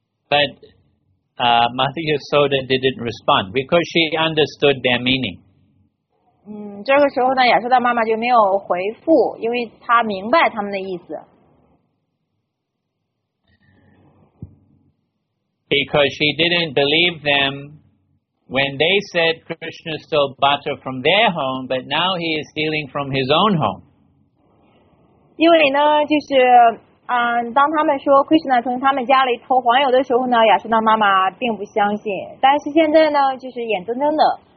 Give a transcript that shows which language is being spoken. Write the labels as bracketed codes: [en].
[en] But Mother Yasoda didn't respond because she understood their meaning. [zh] 这个时候呢，亚瑟的妈妈就没有回复，因为她明白他们的意思。 [en] Because she didn't believe them when they said Krishna stole butter from their home, but now he is stealing from his own home. [zh] 因为呢，就是当他们说 Krishna 从他们家里偷黄油的时候呢，亚瑟的妈妈并不相信。但是现在呢，就是眼睁睁的。